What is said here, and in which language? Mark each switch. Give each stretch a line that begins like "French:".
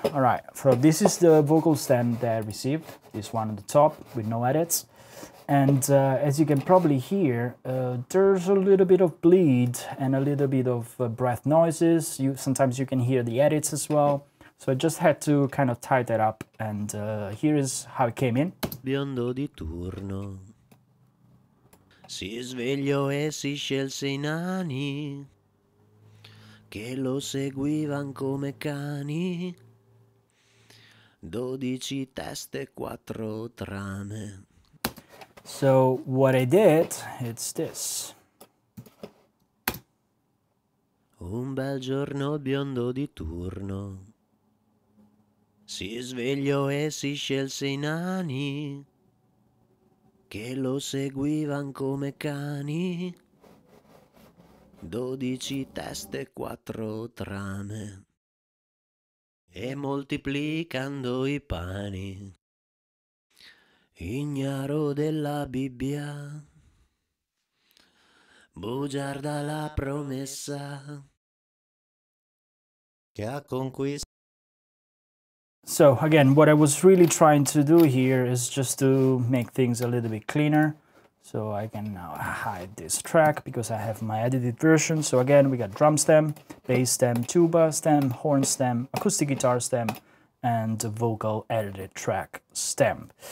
English: All right, so this is the vocal stem that I received. This one on the top with no edits. And as you can probably hear, there's a little bit of bleed and a little bit of breath noises. Sometimes you can hear the edits as well. So I just had to kind of tie that up. And here is how it came in.
Italian: Biondo di turno si svegliò e si scelse i nani che lo seguivan come cani. 12 teste, 4 trame.
English: So what I did, it's this.
Italian: Un bel giorno biondo di turno si svegliò e si scelse i nani che lo seguivan come cani. 12 teste, 4 trame. E moltiplicando i pani, ignaro della Bibbia, bugiarda la promessa che ha conquistato.
English: So again, what I was really trying to do here is just to make things a little bit cleaner. So I can now hide this track because I have my edited version. So again, we got drum stem, bass stem, tuba stem, horn stem, acoustic guitar stem, and a vocal edited track stem.